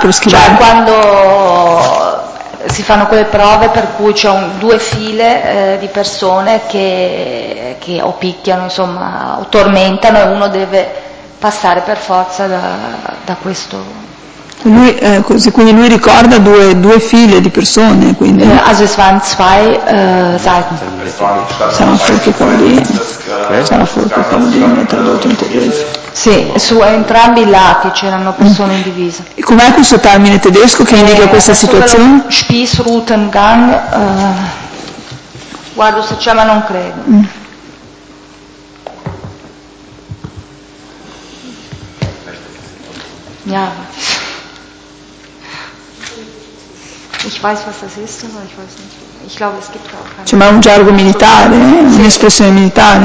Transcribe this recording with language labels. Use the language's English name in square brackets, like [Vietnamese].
[Italian] Cioè, quando si fanno quelle prove per cui c'è due file di persone che o picchiano, insomma, o tormentano, e uno deve passare per forza da questo. Quindi lui ricorda due file di persone, quindi. [German] Also es waren zwei Seiten. Sono furchi cordini. [Italian] Sono furchi cordini, tradotto in tedesco. Sì, su entrambi i lati c'erano persone in divisa. E com'è questo termine tedesco che indica questa situazione? [German] Spießrutengang. [Italian] Guardo se c'è, ma non credo. Mm. [German] Ja. Ich weiß, was das ist, aber ich weiß nicht. Ich glaube, es gibt auch keine. [Italian] C'è, ma è un gergo militare, sì. Un'espressione militare?